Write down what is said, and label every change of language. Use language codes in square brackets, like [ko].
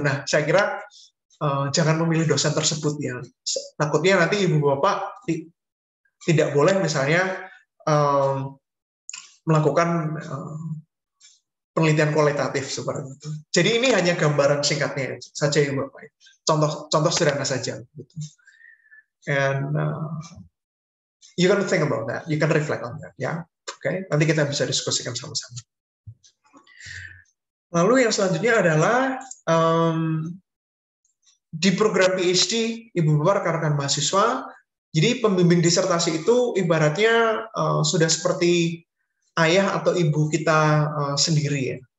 [id] Nah, saya kira jangan memilih dosen tersebut ya. Takutnya nanti Ibu Bapak tidak boleh misalnya melakukan penelitian kualitatif seperti itu. Jadi ini hanya gambaran singkatnya saja ya Bapak. Contoh sederhana saja. [en] And you can think about that. You can reflect on that. Yeah. Okay. [id] Okay? Nanti kita bisa diskusikan sama-sama. Lalu yang selanjutnya adalah di program PhD, Ibu Bapak, rekan-rekan mahasiswa, jadi pembimbing disertasi itu ibaratnya sudah seperti ayah atau ibu kita sendiri ya.